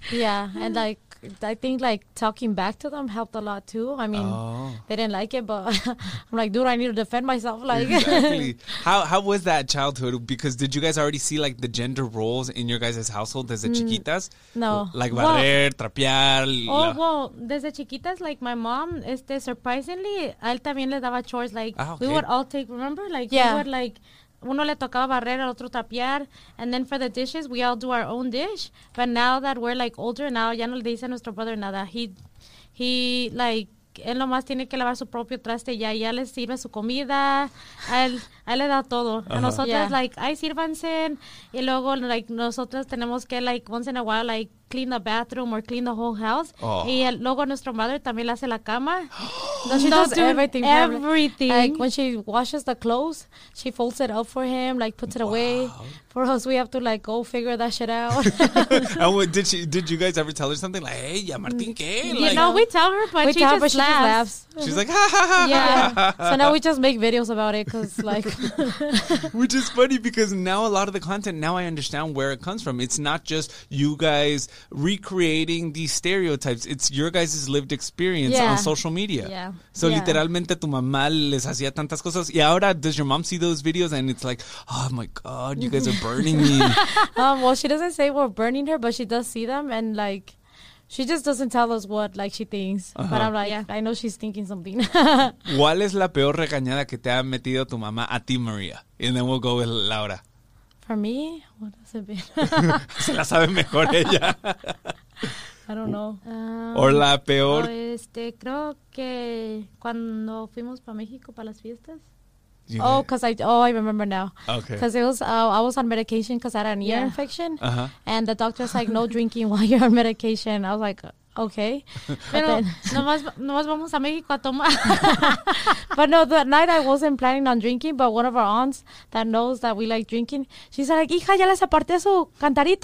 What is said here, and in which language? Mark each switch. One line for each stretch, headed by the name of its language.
English: Yeah, and, like, I think like talking back to them helped a lot too. I mean, they didn't like it, but I'm like, dude, I need to defend myself. Like, exactly. How was that childhood? Because did you guys already see like the gender roles in your guys' household
Spanish: desde chiquitas?
English: No.
Spanish: Like barrer, well, trapear. Desde chiquitas,
English: like my mom, surprisingly,
Spanish: a él también le daba chores.
English: Like, we would all take, remember? Like, we would like...
Spanish: Uno le tocaba barrer, al otro tapear.
English: And then for the dishes, we all do our own dish. But now that we're, like, older now,
Spanish: ya no le dice a nuestro
English: brother
Spanish: nada.
English: He like,
Spanish: él nomás tiene que lavar su propio traste. Ya, ya le sirve su comida. A él le da todo.
English: Uh-huh.
Spanish: A nosotras, like, ay, sírvanse. Y luego, like, nosotras tenemos que,
English: like, once in a while, like, clean the bathroom or clean the whole house. Oh.
Spanish: Y luego nuestra madre también le hace la cama.
English: She does everything. Like when she washes the clothes, she folds it up for him, like puts it away. For us, we have to like go figure that shit out. And what, did you guys ever tell her something like, hey,
Spanish: ya Martín, ¿qué?
English: You like, know, we tell her, but she just laughs. She's like, ha, ha, ha. Yeah. So now we just make videos about it because like. Which is funny because now a lot of the content, now I understand where it comes from. It's not just you guys recreating these stereotypes. It's your guys' lived experience on social media. Yeah.
Spanish: So literalmente tu mamá les hacía tantas cosas. Y ahora,
English: does your mom see those videos? And it's like, oh my God, you guys are burning me. Well, she doesn't say we're burning her, but she does see them. And like, she just doesn't tell us what like she thinks. Uh-huh. But I'm like, I know she's thinking something.
Spanish: ¿Cuál es la peor regañada que te ha metido tu mamá a ti, María?
English: And then we'll go with Laura. For me, what has it been?
Spanish: Se la sabe mejor ella.
English: I don't know.
Spanish: O la peor. No, creo que cuando fuimos para México para las fiestas.
English: I remember now. Okay. Because it was, I was on medication because I had an ear infection. Uh-huh. And the doctor's like, no drinking while you're on medication. I was like, okay.
Spanish: Pero nomás vamos a México a tomar.
English: But no, that night I wasn't planning on drinking, but one of our aunts that knows that we like drinking, she's like,
Spanish: hija, ya les aparté su cantarito.